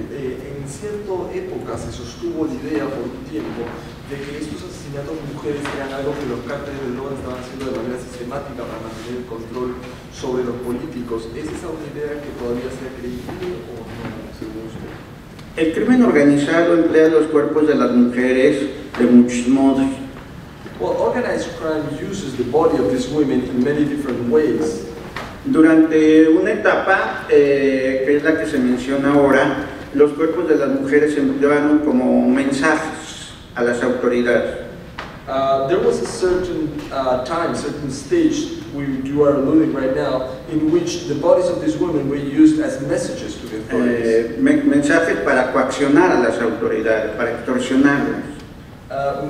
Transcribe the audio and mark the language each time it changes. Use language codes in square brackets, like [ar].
[es] En cierta época se sostuvo la idea por un tiempo de que estos asesinatos de mujeres eran algo que los cárteles de droga estaban haciendo de manera sistemática para mantener el control sobre los políticos. ¿Es esa una idea que todavía sea creíble o no, según usted? El crimen organizado emplea los cuerpos de las mujeres de muchos modos. [en] Well, organized crime uses the body of these women in many different ways. [es] Durante una etapa, que es la que se menciona ahora, los cuerpos de las mujeres se empleaban como mensajes a las autoridades. [en] There was a certain time, certain stage, you are alluding right now, in which the bodies of these women were used as messages to the authorities. [es] Mensajes para coaccionar a las autoridades, para extorsionarlas.